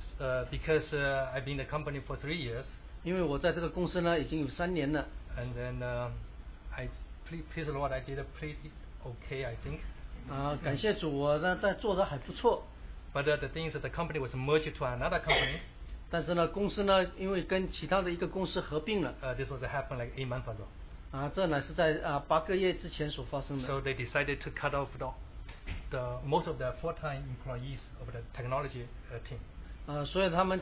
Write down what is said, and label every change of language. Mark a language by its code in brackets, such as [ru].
[en] Because I've been in the company for 3 years， [zh] 因为我在这个公司呢已经有3年了。 [en] And then please the Lord, I did a pretty okay, I think。 [zh] 感谢主，我呢在做的还不错。 [en] But the thing is that the company was merged to another company. [zh] 但是呢，公司呢，因为跟其他的一个公司合并了。 [en] This was happened like 8 months ago. [zh] 这乃是在八个月之前所发生的。 [en] So they decided to cut off the most of the full-time employees of the technology team.